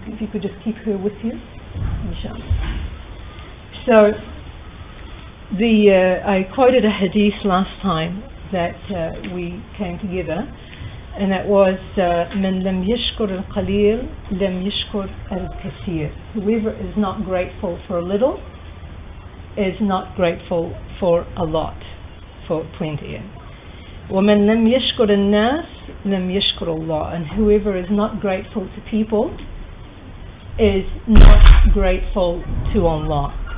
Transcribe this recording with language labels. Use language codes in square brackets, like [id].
[en] If you could just keep her with you, inshallah. So I quoted a hadith last time that we came together, and that was [ar] من لم يشكر القليل لم يشكر الكثير. [en] Whoever is not grateful for a little is not grateful for a lot, for plenty. [ar] ومن لم يشكر الناس لم يشكر الله. [en] And whoever is not grateful to people is not grateful to Allah.